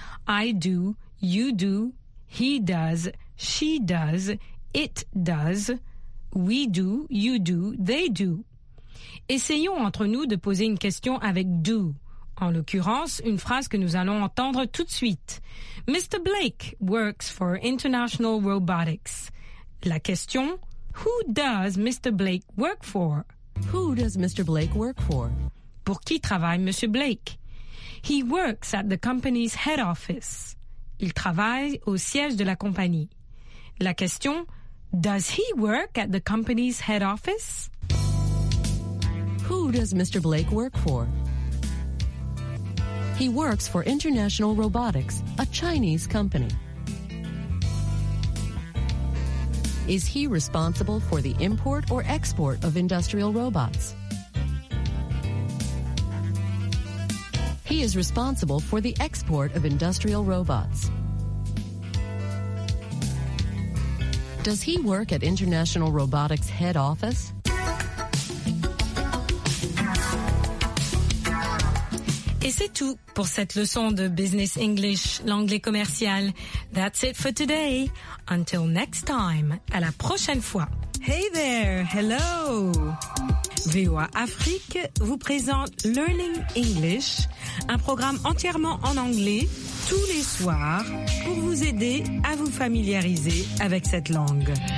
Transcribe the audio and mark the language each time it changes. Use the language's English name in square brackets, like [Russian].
[English] I do, you do, he does, she does, it does, we do, you do, they do. [French] Essayons entre nous de poser une question avec « do ». En l'occurrence, une phrase que nous allons entendre tout de suite. [English] « Mr. Blake works for International Robotics ». [French] La question [English] « Who does Mr. Blake work for ?»« Who does Mr. Blake work for ?» [French] Pour qui travaille Monsieur Blake [English] ?« He works at the company's head office ». [French] Il travaille au siège de la compagnie. La question [English] « Does he work at the company's head office ?» Who does Mr. Blake work for? He works for International Robotics, a Chinese company. Is he responsible for the import or export of industrial robots? He is responsible for the export of industrial robots. Does he work at International Robotics head office? [French] Et c'est tout pour cette leçon de Business English, l'anglais commercial. [English] That's it for today. Until next time, [French] à la prochaine fois. [English] Hey there, hello. [French] VOA Afrique vous présente Learning English, un programme entièrement en anglais, tous les soirs, pour vous aider à vous familiariser avec cette langue.